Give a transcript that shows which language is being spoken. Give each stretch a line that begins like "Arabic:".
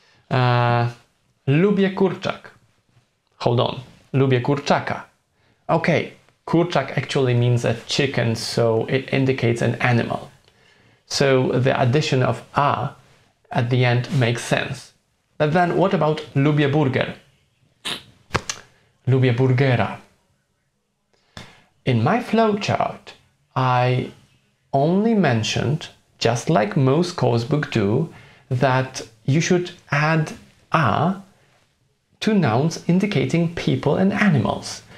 Polish: Lubię kurczak.
English: Hold on.
Polish: Lubię kurczaka.
English: Okay. Kurczak actually means a chicken, so it indicates an animal. So the addition of a at the end makes sense. But then what about
Polish: lubię burger? Lubię burgera.
English: In my flowchart, I only mentioned, just like most coursebooks do, that you should add a to nouns indicating people and animals.